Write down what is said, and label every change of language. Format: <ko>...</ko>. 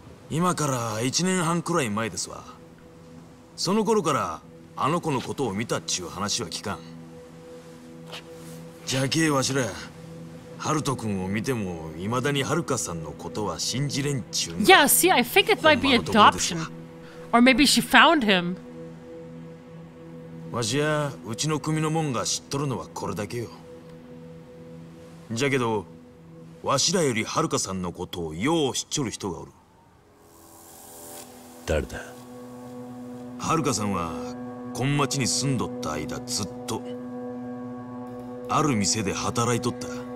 <ja>今から1年半くらい前ですわ。その頃からあの子のことを見たっちゅう話は聞かん。じゃけえわしら、ハルト君を見ても未だにハルカさんのことは信じれんちゅうん。</ja> <en>Yeah, see, I think it might be adoption. Or maybe she found him.</en> <ja>わしや、うちの組のもんが知っとるのはこれだけよ。じゃけど、わしらよりハルカさんのことをよう知っちょる人がおる。誰だ？ハルカさんは、こん町に住んどった間ずっと、ある店で働いとった。</ja>